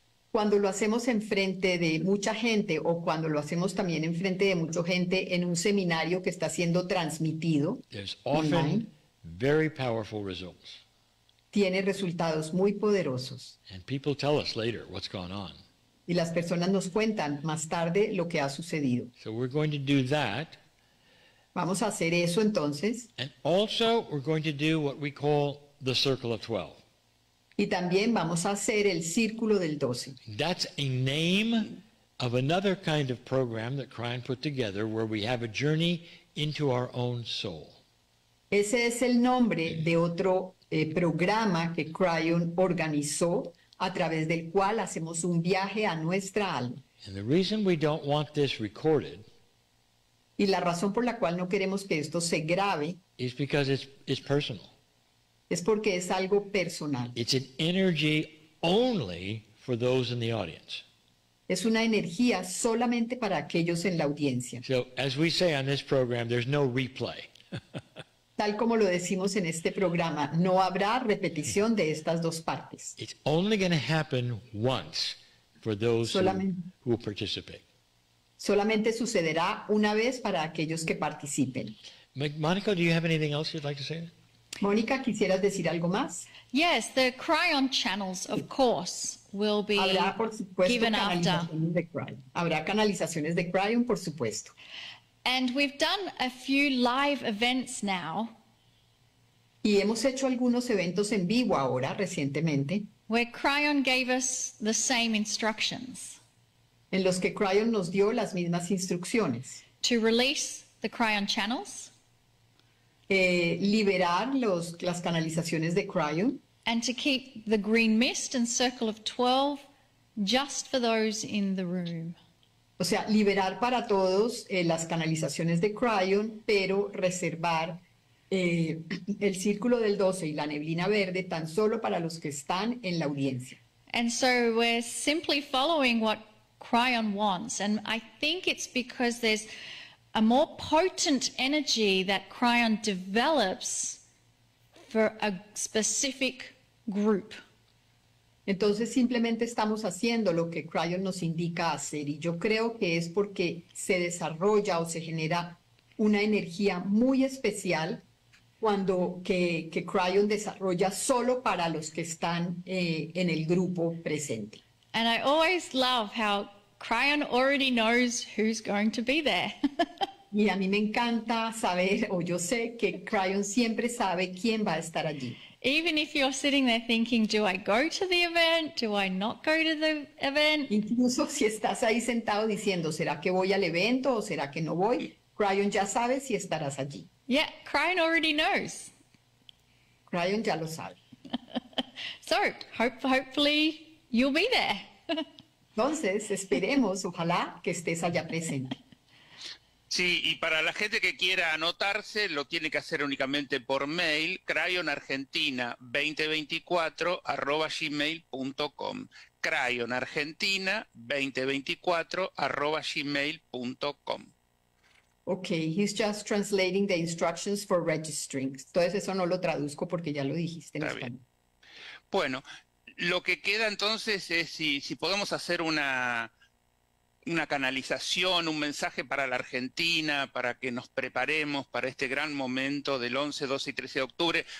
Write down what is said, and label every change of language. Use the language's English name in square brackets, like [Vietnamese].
[Spanish] Cuando lo hacemos en frente de mucha gente o cuando lo hacemos también en frente de mucha gente en un seminario que está siendo transmitido. [English] There's often very powerful results. [Spanish] Tiene resultados muy poderosos. [English] And people tell us later what's going on. [Spanish] Y las personas nos cuentan más tarde lo que ha sucedido. [English] So we're going to do that. [Spanish] Vamos a hacer eso entonces. [English] And also we're going to do what we call the Circle of 12. [Spanish] Y también vamos a hacer el Círculo del 12. [English] That's a name of another kind of program that Cryon put together where we have a journey into our own soul. [Spanish] Ese es el nombre de otro programa que Cryon organizó a través del cual hacemos un viaje a nuestra alma. [English] And the reason we don't want this recorded, [Spanish] y la razón por la cual no queremos que esto se grabe, [English] is because it's personal. [Spanish] Es porque es algo personal. [English] It's an energy only for those in the audience. [Spanish] Es una energía solamente para aquellos en la audiencia. [English] So, as we say on this program, there's no replay. [Spanish] Tal como lo decimos en este programa, no habrá repetición de estas dos partes. [English] It's only going to happen once for those who participate. [Spanish] Solamente sucederá una vez para aquellos que participen. [English] Monica, do you have anything else you'd like to say? [Spanish] Mónica, ¿quisieras decir algo más? [English] Yes, the Cryon channels, of course, will be given after. [Spanish] Habrá, por supuesto, canalizaciones de Cryon. Habrá canalizaciones de Cryon, por supuesto. [English] And we've done a few live events now. [Spanish] Y hemos hecho algunos eventos en vivo ahora, recientemente. [English] Where Cryon gave us the same instructions. [Spanish] En los que Cryon nos dio las mismas instrucciones. [English] To release the Cryon channels. [Spanish] Liberar las canalizaciones de Cryon. [English] And to keep the green mist and circle of 12 just for those in the room. [Spanish] O sea, liberar para todos las canalizaciones de Cryon, pero reservar el círculo del 12 y la neblina verde tan solo para los que están en la audiencia. [English] And so we're simply following what Cryon wants. And I think it's because there's a more potent energy that Cryon develops for a specific group. [Spanish] Entonces simplemente estamos haciendo lo que Cryon nos indica hacer y yo creo que es porque se desarrolla o se genera una energía muy especial cuando que Cryon desarrolla solo para los que están en el grupo presente. [English] And I always love how Cryon already knows who's going to be there. [Spanish] Y a mí me encanta saber, o yo sé que Cryon siempre sabe quién va a estar allí. [English] Even if you're sitting there thinking, do I go to the event? Do I not go to the event? [Spanish] Incluso si estás ahí sentado diciendo, ¿será que voy al evento o será que no voy? Cryon ya sabe si estarás allí. [English] Yeah, Cryon already knows. [Spanish] Cryon ya lo sabe. [English] So, hopefully you'll be there. [Spanish] Entonces, esperemos, ojalá, que estés allá presente. Sí, y para la gente que quiera anotarse, lo tiene que hacer únicamente por mail, cryonargentina2024@gmail.com. cryonargentina2024@gmail.com. [English] Okay, he's just translating the instructions for registering. [Spanish] Entonces, eso no lo traduzco porque ya lo dijiste en español. Bueno, lo que queda entonces es si podemos hacer una una canalización, un mensaje para la Argentina, para que nos preparemos para este gran momento del 11, 12 y 13 de octubre.